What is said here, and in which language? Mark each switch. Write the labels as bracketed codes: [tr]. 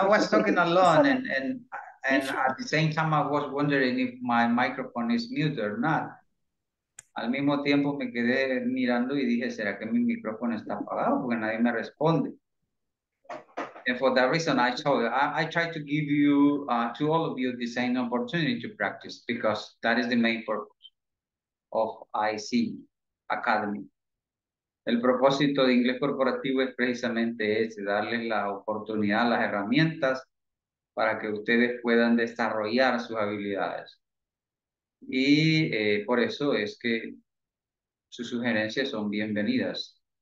[en] I was talking alone, and at the same time I was wondering if my microphone is muted or not. [es] Al mismo tiempo me quedé mirando y dije, ¿será que mi micrófono está apagado? Porque nadie me responde. [en] And for that reason, I tried to give you to all of you the same opportunity to practice, because that is the main purpose of IC Academy. [es] El propósito de inglés corporativo es precisamente ese, darles la oportunidad, las herramientas para que ustedes puedan desarrollar sus habilidades. Y por eso es que sus sugerencias son bienvenidas.